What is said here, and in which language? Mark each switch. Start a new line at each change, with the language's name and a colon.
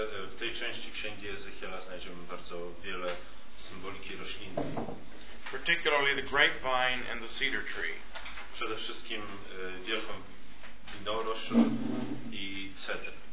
Polish: W tej części księgi Ezechiela znajdziemy bardzo wiele symboliki roślinnej.
English: Particularly the grapevine and the cedar tree.
Polish: Przede wszystkim wielką winorośl i cedr.